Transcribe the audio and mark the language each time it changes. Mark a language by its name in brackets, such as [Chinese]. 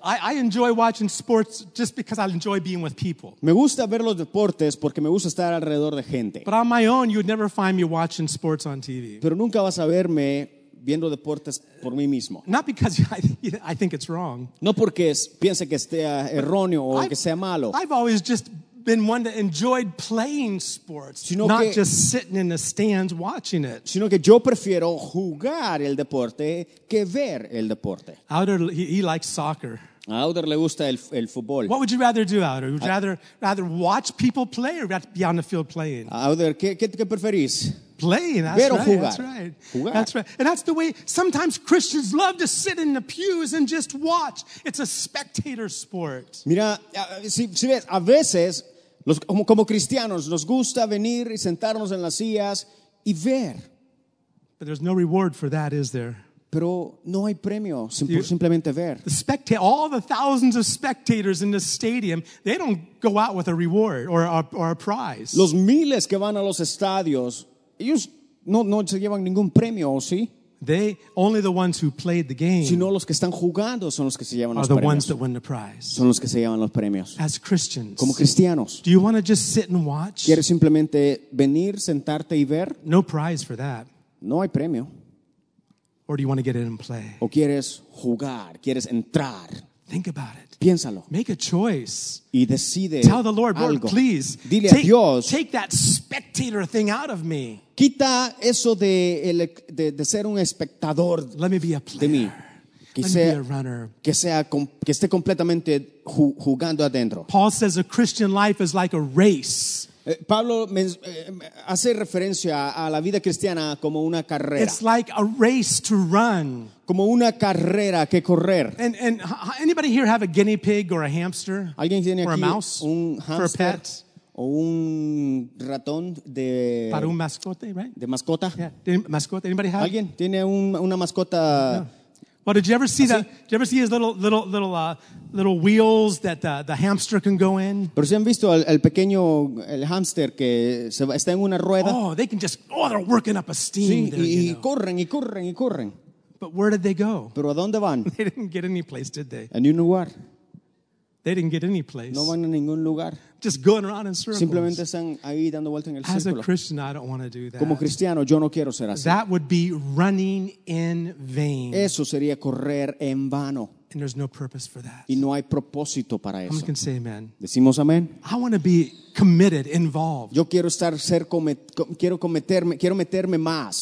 [English] I enjoy watching sports just because I enjoy being with people. [Spanish] Me gusta ver los deportes porque me gusta estar alrededor de gente. [English] But on my own, you'd never find me watching sports on TV. [Spanish] Pero nunca vas a verme viendo deportes por mí mismo. [English] Not because I think it's wrong. [Spanish] No porque piense que esté erróneo o que sea malo. [English] I've always just been one that enjoyed playing sports, sino not que, just sitting in the stands watching it. [Spanish] Sino que yo prefiero jugar el deporte que ver el deporte. [English] Outer, he likes soccer. [Spanish] A Outer le gusta el fútbol. [English] What would you rather do, Outer? Would you rather watch people play or be on the field playing? [Spanish] Outer, ¿qué preferís? [English] Playing, that's [Spanish] ver [English] right, [Spanish] jugar. [English] That's right. [Spanish] Jugar. [English] That's right. And that's the way sometimes Christians love to sit in the pews and just watch. It's a spectator sport. [Spanish] Mira, si ves, a veces, como cristianos, nos gusta venir y sentarnos en las sillas y ver. [English] But there's no reward for that, is there? [Spanish] Pero no hay premio, simplemente ver. [English] All the thousands of spectators in the stadium, they don't go out with a reward or a prize. [Spanish] Los miles que van a los estadios, ellos no se llevan ningún premio, ¿sí? [English] They, only the ones who played the game, [Spanish] sino los que están jugando son los que se llevan los [English] the [Spanish] premios. [English] Ones that win the prize. [Spanish] Son los que se llevan los premios. [English] As Christians, [Spanish] como cristianos. [English] Do you want to just sit and watch? [Spanish] ¿Quieres simplemente venir, sentarte y ver? [English] No prize for that. [Spanish] No hay premio. [English] Or do you want to get in and play? [Spanish] ¿O quieres jugar? ¿Quieres entrar? [English] Think about it. [Spanish] Piénsalo. [English] Make a choice. [Spanish] Y decide. [English] Tell the Lord, [Spanish] algo. [English] Lord, please. [Spanish] Dile a Dios. [English] Take that spectator thing out of me. [Spanish] Quita eso de ser un espectador de mí. [English] Let me be a player. Let me be a runner. [Spanish] Que esté completamente jugando adentro. [English] Paul says a Christian life is like a race. [Spanish] Pablo hace referencia a la vida cristiana como una carrera. [English] It's like a race to run. [Spanish] Como una carrera que correr. [English] And anybody here have a guinea pig or a hamster? [Spanish] ¿Alguien tiene [English] or [Spanish] aquí [English] a mouse [Spanish] un hamster? [English] For a pet? [Spanish] O un ratón de... Para un mascote, right? De mascota. [English] Yeah. Mascota, anybody have? [Spanish] ¿Alguien tiene una mascota? [English] No. Well, did you ever see that? Did you ever see his little wheels that the hamster can go in? [Spanish] ¿Pero si han visto el pequeño, el hamster que está en una rueda? [English] Oh, they can just, oh, they're working up a steam. [Spanish] Sí, [English] there, [Spanish] y [English] you know. [Spanish] Corren, y corren, y corren. [English] But where did they go? [Spanish] ¿Pero a dónde van? [English] They didn't get any place, did they? [Spanish] A new lugar. [English] They didn't get any place. [Spanish] No van a ningún lugar. [English] Just going around in circles. [Spanish] Simplemente están ahí dando vuelta en el círculo. [English] As a Christian, I don't want to do that. [Spanish] Como cristiano, yo no quiero ser así. [English] That would be running in vain. [Spanish] Eso sería correr en vano. [English] And there's no purpose for that. [Spanish] Y no hay propósito para eso. [English] Someone can say amen. [Spanish] Decimos amén. [English] I want to be committed, involved. [Spanish] Yo quiero estar quiero meterme más.